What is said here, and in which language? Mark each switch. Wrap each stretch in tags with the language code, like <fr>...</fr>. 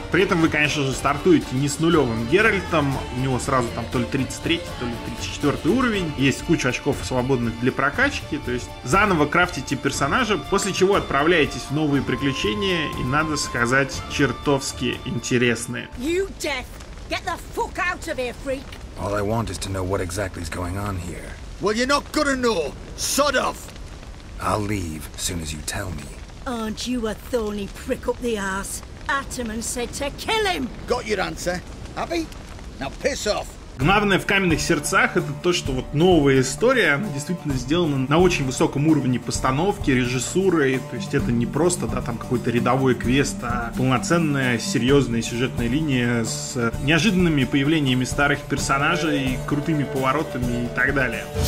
<ru>При этом вы, конечно же, стартуете не с нулевым Геральтом. У него сразу там то ли 33, то ли 34 уровень. Есть куча очков свободных для прокачки. То есть заново крафтите персонажа, после чего отправляетесь в новые приключения. Приключения, и надо сказать, чертовски интересные.</ru> <en>You death! Get the fuck out of here, freak! All I want is to know what exactly is going on here. Well, you're not gonna know! Sod off! I'll leave as soon as you tell me. Aren't you a thorny prick up the ass? Ataman said to kill him! Got your answer. Happy? Now piss off!</en> <ru>Главное в Каменных Сердцах — это то, что вот новая история, она действительно сделана на очень высоком уровне постановки, режиссуры, и, то есть это не просто, да, там какой-то рядовой квест, а полноценная, серьезная сюжетная линия с неожиданными появлениями старых персонажей, крутыми поворотами и так далее.</ru>